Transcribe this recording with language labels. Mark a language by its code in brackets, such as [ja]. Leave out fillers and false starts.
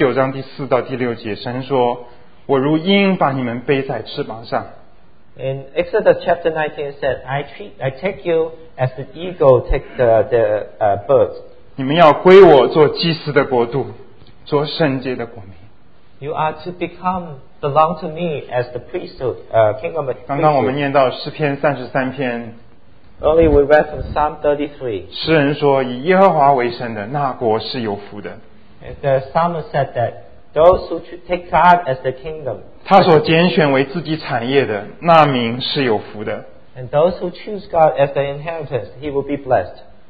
[zh] 出埃及记第19章第4到第6节, 神说, 我如鹰把你们背在翅膀上, [en] in Exodus chapter 19, it said, I take you as the eagle takes the birds. [zh] 你们要归我做祭司的国度, 做圣洁的国民。 [en] You are to become, belong to me as the priesthood, kingdom of priesthood. [zh] 刚刚我们念到诗篇33篇, [en] early we read from Psalm 33. [zh] 诗人说, 以耶和华为圣的, 那国是有福的。 [en] The psalmist said that those who take God as the kingdom, [zh] 他所拣选为自己产业的, 那民是有福的。 [en] And those who choose God as their inheritance, he will be blessed.